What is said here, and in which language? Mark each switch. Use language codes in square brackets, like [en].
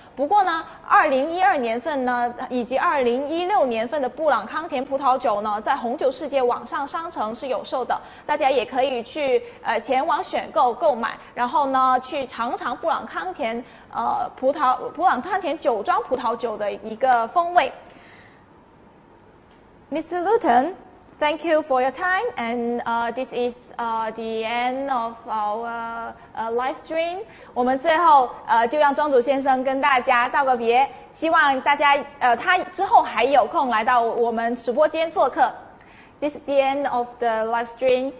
[zh] 不过呢，2012年份呢，以及2016年份的布朗康田葡萄酒呢，在红酒世界网上商城是有售的，大家也可以去前往选购购买，然后呢，去尝尝布朗康田布朗康田酒庄葡萄酒的一个风味。 [en] Mr. Lurton。 Thank you for your time, and this is the end of our live stream. [zh] 我们最后就让庄主先生跟大家道个别，希望大家他之后还有空来到我们直播间做客。 [en] This is the end of the live stream.